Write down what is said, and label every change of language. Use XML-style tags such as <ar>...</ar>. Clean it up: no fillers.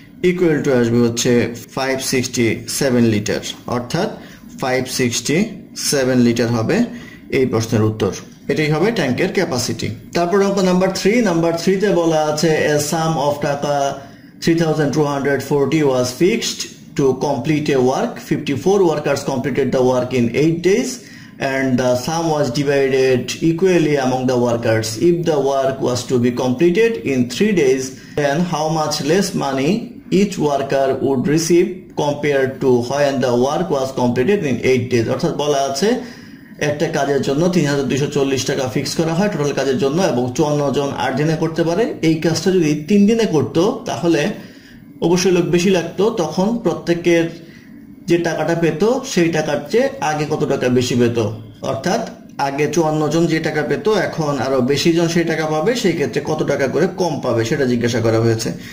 <bn>Equal to আসবে হচ্ছে 567 litre অর্থাৎ 567 লিটার হবে এই প্রশ্নের উত্তর এটাই হবে ট্যাঙ্কের ক্যাপাসিটি তারপর অঙ্ক নাম্বার থ্রি নাম্বার থ্রিতে বলা আছে</bn> <en>A sum of taka 3240 was fixed to complete a work. 54 workers completed the work in 8 days and the sum was divided equally among the workers. If the work was to be completed in 3 days, then how much less money each worker would receive compared to when the work was completed in 8 days?</en> <bn>অর্থাৎ বলা আছে একটা কাজের জন্য 3240 টাকা fix করা হয় total কাজের জন্য এবং 54 জন 8 দিনে করতে পারে। এই কাজটা যদি 3 দিনে করত তাহলে অবশ্যই লোক বেশি লাগত, তখন প্রত্যেকের যে টাকাটা পেত সেই টাকার চেয়ে আগে কত টাকা বেশি পেত, অর্থাৎ আগে 54 জন যে টাকা পেত এখন আরো বেশি জন সেই টাকা পাবে, সেই ক্ষেত্রে কত টাকা করে কম পাবে সেটা জিজ্ঞাসা করা হয়েছে।</bn>